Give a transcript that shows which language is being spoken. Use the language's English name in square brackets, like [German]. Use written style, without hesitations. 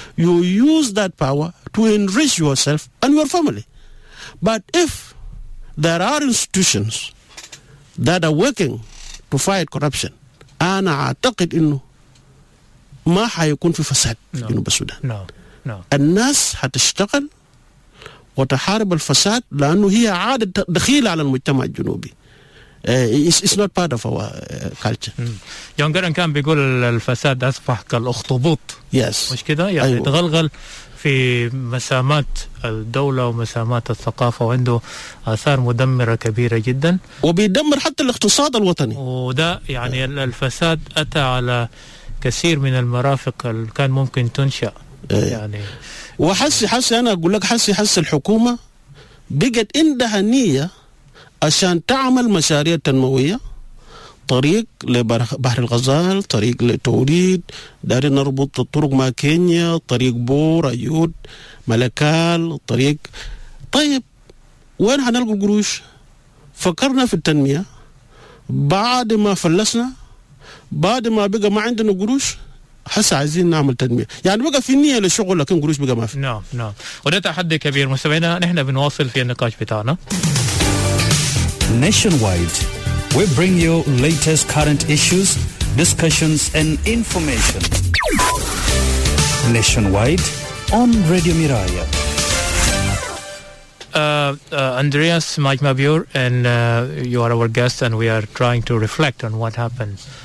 [English] You use that power to enrich yourself and your family. But if there are institutions that are working to fight corruption, [Arabic] ana aatakid inu ma hayakun fi fasad inu basudan. [English] No. [Arabic] الناس هتشتغل وتحارب الفساد لأنه هي عادة دخيلة على المجتمع الجنوبي. [English] It's not part of our culture. [Arabic] يونغرن كان بيقول الفساد أصبح كالأخطبوط. [English] Yes. [Arabic] مش كده؟ يعني تغلغل في مسامات الدولة ومسامات الثقافة وعنده آثار مدمرة كبيرة جدا. وبيدمر حتى الاقتصاد الوطني. وده يعني الفساد أتى على كثير من المرافق اللي كان ممكن تنشأ. يعني وحسي أنا أقول لك حسي الحكومة بقت عندها نية عشان تعمل مشاريع تنموية طريق لبحر الغزال طريق لتوريد دارين نربط الطرق مع كينيا طريق بور أيود ملكال طريق طيب وين هنلقوا القروش فكرنا في التنمية بعد ما فلسنا بعد ما بقى ما عندنا قروش حس عايزين نعمل تنمية يعني بقى في نية للشغل لكن قروش بقى ما في نعم وده تحدي كبير مستمعينا نحن بنواصل في النقاش بتاعنا [English] Nationwide, we bring you latest current issues, discussions and information. Nationwide on Radio Miraya. Andreas, Mike Mabior, and you are our guest and we are trying to reflect on what happened